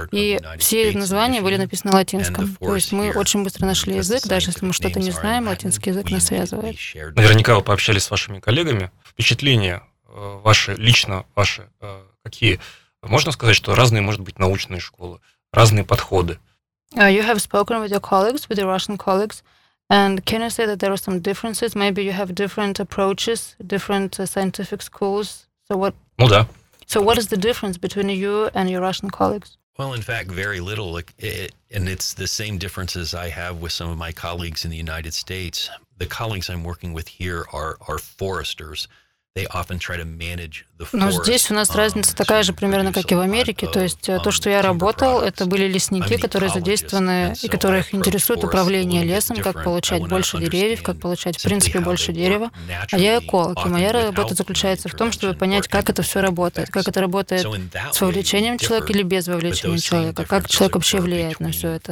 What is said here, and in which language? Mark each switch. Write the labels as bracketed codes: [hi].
[ru] И все названия были написаны латинском. То есть мы очень быстро нашли язык, даже если мы что-то не знаем, латинский язык нас связывает. Наверняка вы пообщались с вашими коллегами. Впечатления ваши, лично ваши, какие? Можно сказать, что разные, может быть, научные школы? Разные подходы. [en] You have spoken with your colleagues, with your Russian colleagues, and can you say that there are some differences? Maybe you have different approaches, different scientific schools. So what? [ru] Ну да. [en] So what is the difference between you and your Russian colleagues? Well, in fact, very little. And it's the same differences I have with some of my colleagues in the United States. The colleagues I'm working with here are foresters. They often try to manage the forest. [ru] Но здесь у нас разница такая же примерно, как и в Америке. То есть то, что я работал, это были лесники, которые задействованы и которых интересует управление лесом, как получать больше деревьев, как получать, в принципе, больше дерева. А я эколог, и моя работа заключается в том, чтобы понять, как это все работает, как это работает с вовлечением человека или без вовлечения человека, как человек вообще влияет на все это.